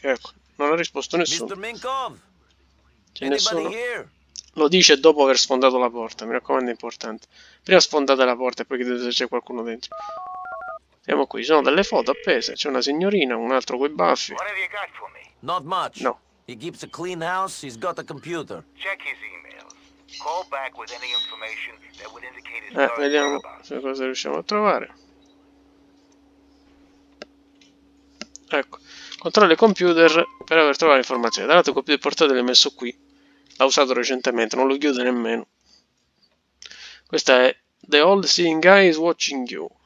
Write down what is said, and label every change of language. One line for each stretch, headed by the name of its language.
Italian: Ecco, non ha risposto nessuno. C'è nessuno? Lo dice dopo aver sfondato la porta, mi raccomando, è importante. Prima sfondate la porta e poi chiedete se c'è qualcuno dentro. Siamo qui, ci sono delle foto appese, c'è una signorina, un altro coi baffi.
English: Not much. No. He keeps a clean house, he's got a computer. Check his emails. Call back with any information that would indicate his
Italian: vediamo se cosa riusciamo a trovare. Ecco. Controlla il computer per aver trovato informazioni. Tra l'altro il computer portatile l'ho messo qui. L'ha usato recentemente, non lo chiude nemmeno. Questa è The Old Seeing Guy is Watching You.